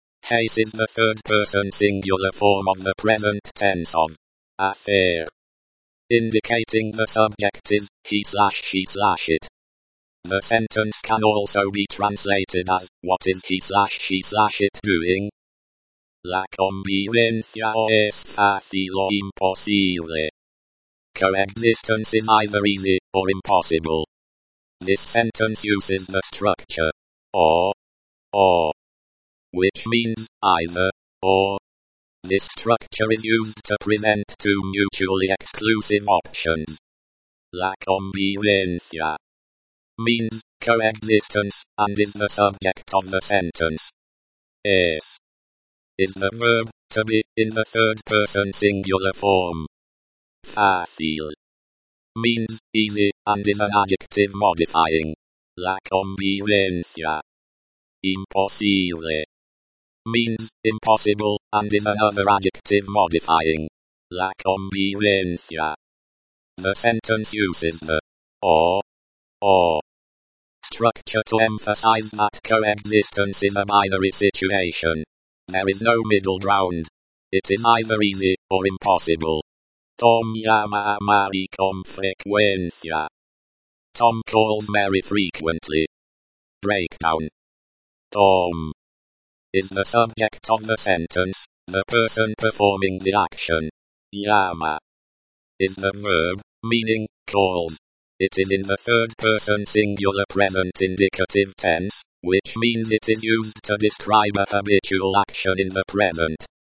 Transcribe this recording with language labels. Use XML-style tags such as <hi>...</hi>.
<en>Hace is the third person singular form of the present tense of hacer. Indicating the subject is he slash she slash it. The sentence can also be translated as, what is he slash she slash it doing?</en> <es>La convivencia o es fácil o imposible.</es> <en>Coexistence is either easy or impossible. This sentence uses the structure or, which means either or. This structure is used to present two mutually exclusive options.</en> <es>La convivencia</es> <en>means coexistence and is the subject of the sentence. Es is the verb to be in the third person singular form. Fácil means easy and is an adjective modifying.</en> <es>La convivencia.</es> <en>Imposible means impossible and is another adjective modifying.</en> <es>La convivencia.</es> <en>The sentence uses the or structure to emphasize that coexistence is a binary situation. There is no middle ground. It is either easy or impossible.</en> <es>Tom llama a Mary con frecuencia.</es> <en>Tom calls Mary frequently. Breakdown. Tom is the subject of the sentence, the person performing the action. Llama is the verb, meaning, calls. It is in the third person singular present indicative tense, which means it is used to describe a habitual action in the present.</en>